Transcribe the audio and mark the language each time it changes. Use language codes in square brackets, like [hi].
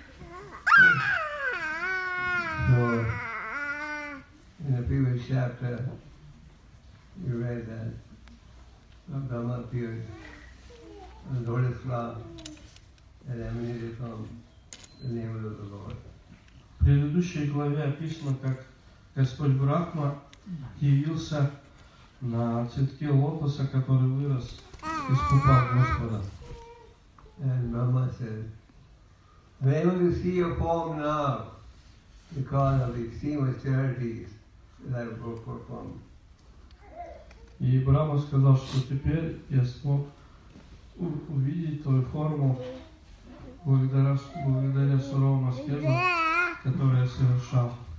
[en] So, in the previous chapter, you read that Brahma appeared on the lotus cloud that emanated from the name of the Lord. [ru] В предыдущей главе описано, как Господь Брахма явился на цветке лотоса, который вырос из пупа Господа. [en] And Brahma said, I'm able to see your form now because of the extreme austerities that I performed. [ru] И Брама сказал, что теперь я смог увидеть твою форму благодаря суровому аскезу, который я совершал.